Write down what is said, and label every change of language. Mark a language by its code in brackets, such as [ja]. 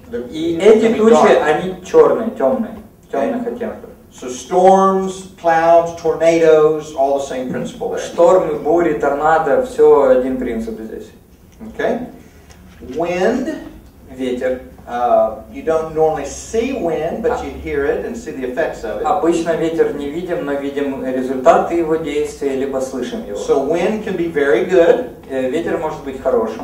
[ru] И эти тучи, они черные, темных оттенков. [en] So storms, clouds, tornadoes, all the same principle. [ru] Штормы, бури, торнадо, все один принцип здесь. [en] Okay. Wind, [ru] ветер. [en] You don't normally see wind, but you hear it and see the effects of it. [ru] Обычно ветер не видим, но видим результаты его действия либо слышим его. [en] So wind can be very good. [ru] Ветер может быть хорошим.